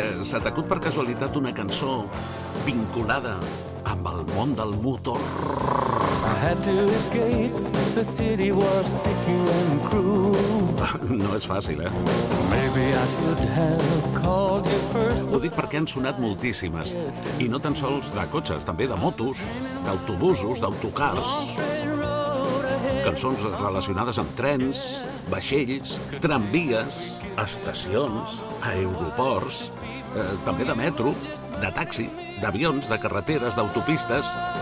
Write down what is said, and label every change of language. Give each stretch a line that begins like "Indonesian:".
Catalan: Se t'acut per casualitat una cançó vinculada amb el món del motor?
English: I had to escape, the city was sticking and cruel.
Catalan: No és fàcil, eh?
English: Maybe I should have called you first.
Catalan: Ho dic perquè han sonat moltíssimes. I no tan sols de cotxes, també de motos, d'autobusos, d'autocars. Cançons relacionades amb trens, vaixells, tramvies, estacions, aeroports, també de metro, de taxi, d'avions, de carreteres, d'autopistes...